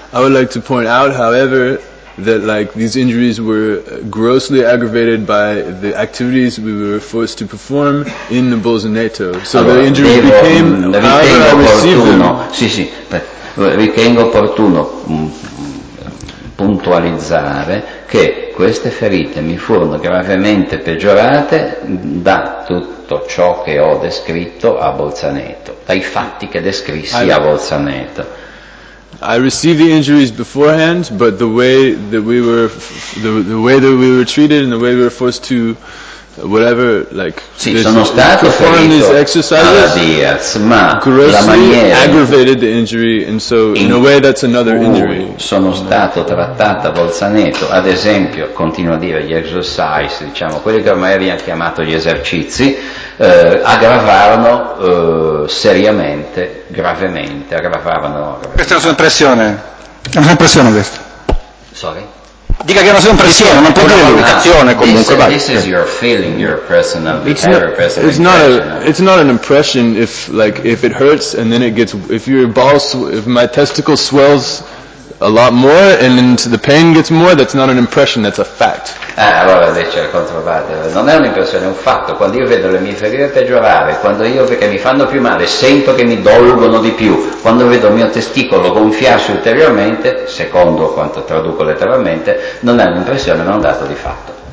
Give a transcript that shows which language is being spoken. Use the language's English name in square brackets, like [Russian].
[English] I would like to point out, however, that these injuries were grossly aggravated by the activities we were forced to perform in the Bolzaneto. So [Italian] allora, [English] the injuries became [Italian] ritengo opportuno puntualizzare che queste ferite mi furono gravemente peggiorate da tutto ciò che ho descritto a Bolzaneto, dai fatti che descrissi a Bolzaneto. [English] I received the injuries beforehand, but the way that we were, the way that we were treated, and the way we were forced to, whatever, perform these exercises, Diaz, grossly aggravated the injury, and so in a way that's another injury. [Italian] Sono stato trattato a Bolzaneto, ad esempio, continuo a dire gli exercise, quelli che ormai abbiamo chiamato gli esercizi. Aggravarono gravemente. Questa è una sua impressione? È una sua impressione questa? [English] Sorry? [Italian] Dica che è una sua impressione, non può dire l'educazione comunque. [English] This is your feeling, your personal impression. It's not an impression if it hurts and then it gets, if my testicle swells a lot more and then the pain gets more, that's not an impression, that's a fact. [Italian] Allora dice la controparte, non è un'impressione, è un fatto. Quando io vedo le mie ferite peggiorare, quando io vedo che mi fanno più male, sento che mi dolgono di più, quando vedo il mio testicolo gonfiarsi ulteriormente, secondo quanto traduco letteralmente, non è un'impressione, ma un dato di fatto.